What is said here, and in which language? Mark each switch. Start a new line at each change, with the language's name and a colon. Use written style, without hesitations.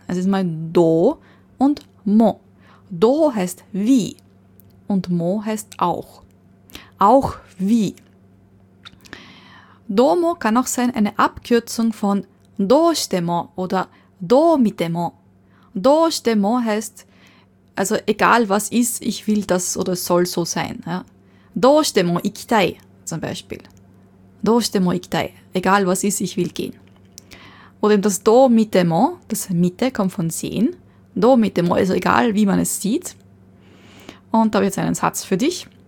German: Es ist mal do und mo. Do heißt wie und mo heißt auch. Auch wie. Domo kann auch sein eine Abkürzung von どうしても oder どう見ても. どうしても heißt, also egal was ist, ich will das oder soll so sein. Ja.
Japanese: どうしても行きたい zum Beispiel. どうしても行きたい.
German: Egal was ist, ich will gehen. Oder das どう見ても, das Mitte kommt von sehen. どう見ても, also egal wie man es sieht. Und da habe ich jetzt einen Satz für dich.